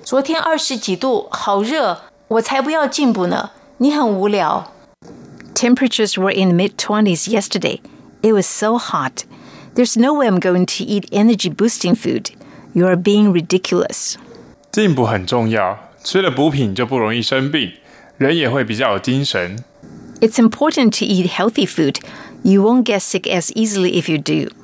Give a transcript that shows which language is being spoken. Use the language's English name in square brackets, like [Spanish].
[Chinese] 昨天二十几度,好热,我才不要进补呢,你很无聊. [English] Temperatures were in the mid-20s yesterday. It was so hot. There's no way I'm going to eat energy-boosting food. You are being ridiculous. [Chinese] 进补很重要,吃了补品就不容易生病,人也会比较有精神. [English] It's important to eat healthy food. You won't get sick as easily if you do.